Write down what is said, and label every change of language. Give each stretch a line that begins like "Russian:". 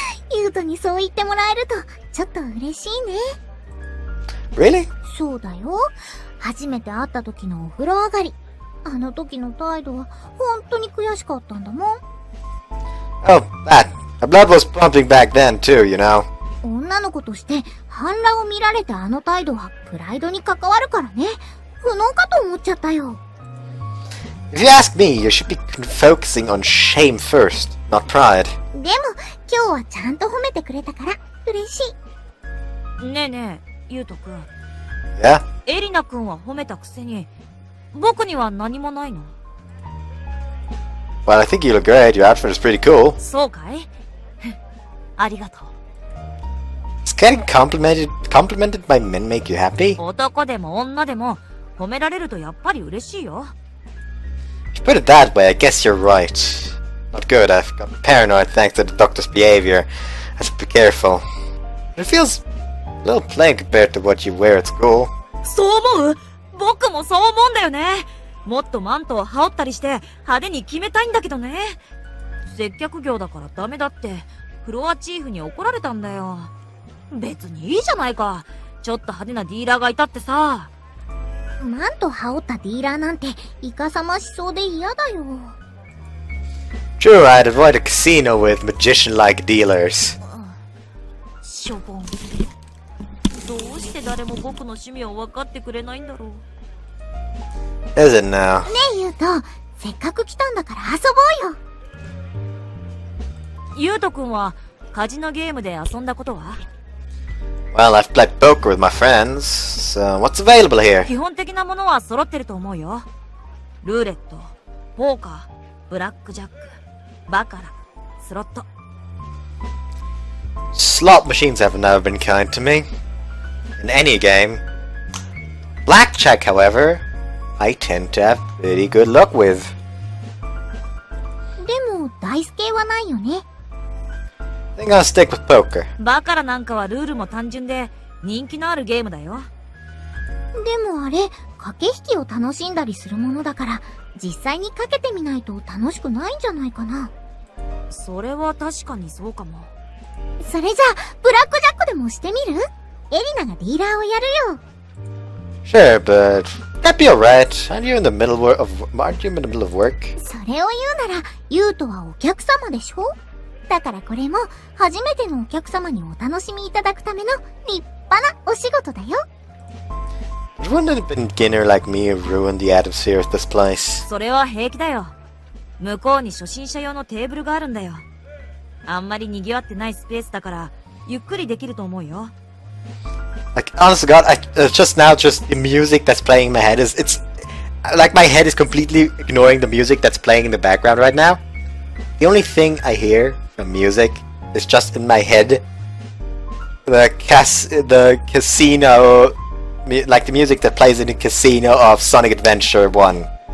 Japanese: Yuto にそう言ってもらえるとちょっと嬉しいね。
English: Really?
Japanese: そうだよ。初めて会った時のお風呂上がり。あの時の態度は本当に悔しかったんだもん。
English: Oh, that. My blood was pumping back then too, you know.
Japanese: 女の子として反乱を見られたあの態度はプライドに関わるからね。不能かと思っちゃったよ。
English: If you ask me, you should be focusing on shame first, not pride.
Japanese: でも今日はちゃんと褒めてくれたから嬉しい。ねえねえ、ゆうとくん。
English: Yeah?
Japanese: エリナくんは褒めたくせに。僕には何もないの。
English: Well, I think you look great. Your outfit is pretty cool.
Japanese: そうかい?ありがとう。
English: Is getting complimented by men make you happy?
Japanese: 男でも女でも褒められるとやっぱり嬉しいよ。
English: If you put it that way, I guess you're right. Not good. I've gotten paranoid thanks to the doctor's behavior. I should be careful. It feels a little plain compared to what you wear at school.
Japanese: そう思う? 僕もそう思うんだよね。もっとマントを羽織ったりして派手に決めたいんだけどね。接客業だからダメだってフロアチーフに怒られたんだよ。別にいいじゃないか。ちょっと派手なディーラーがいたってさ。マント羽織ったディーラーなんてイカサマしそうで嫌だよ。
English: Sure, I'd avoid a casino with magician-like dealers.
Japanese: しょぼん。どうして誰も僕の趣味を分かってくれないんだろう。
English: Is it now?
Japanese: ねえ、ユート、せっかく来たんだから遊ぼうよ。ユート君はカジノゲームで遊んだことは?
English: Well, I've played poker with my friends, so what's available here?
Japanese: 基本的なものは揃ってると思うよ。ルーレット、ポーカー、ブラックジャック、バカラ、スロット。
English: Slot machines have never been kind to me. In any game. Blackjack, however. I tend to have pretty good luck with.
Japanese: でも、ダイス系はないよね。
English: I think I'll stick with poker.
Japanese: バカラなんかはルールも単純で人気のあるゲームだよ。でもあれ、駆け引きを楽しんだりするものだから、実際に賭けてみないと楽しくないんじゃないかな。それは確かにそうかも。それじゃあ、ブラックジャックでもしてみる?エリナがディーラーをやるよ。
English: Sure, but that'd be alright. Aren't you in the middle of work?
Japanese: それを言うなら、ユートはお客様でしょ?だからこれも、初めてのお客様にお楽しみいただくための立派なお仕事だよ。
English: But wouldn't a beginner like me ruin the atmosphere of this place?
Japanese: それは平気だよ。向こうに初心者用のテーブルがあるんだよ。あんまり賑わってないスペースだから、ゆっくりできると思うよ。
English: Like, honest to God, just the music that's playing in my head my head is completely ignoring the music that's playing in the background right now. The only thing I hear from music is just in my head. The casino, the music that plays in the casino of Sonic Adventure 1.